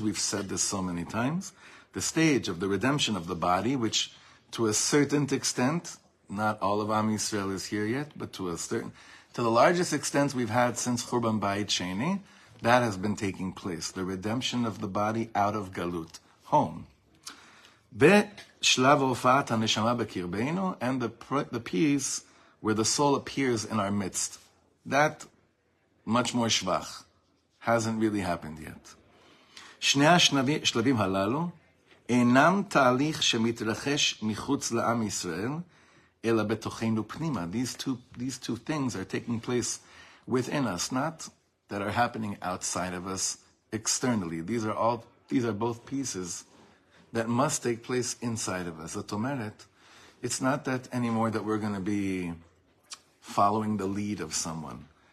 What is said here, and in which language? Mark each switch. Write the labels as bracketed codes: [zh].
[en] We've said this so many times. The stage of the redemption of the body, which to a certain extent, not all of Am Yisrael is here yet, but to the largest extent we've had since Churban Bayit Sheni, that has been taking place. The redemption of the body out of Galut, home. [he] בשלב הופעת הנשמה בקרבנו, [en] and the piece where the soul appears in our midst. That much more שבח. Hasn't really happened yet. [he] שני השלבים הללו אינם תהליך שמתרחש מחוץ לעם ישראל, אלא בתוכנו פנימה. [en] These two things are taking place within us, not that are happening outside of us externally. These are both pieces that must take place inside of us. [he] זאת אומרת, [en] it's not that anymore that we're going to be following the lead of someone.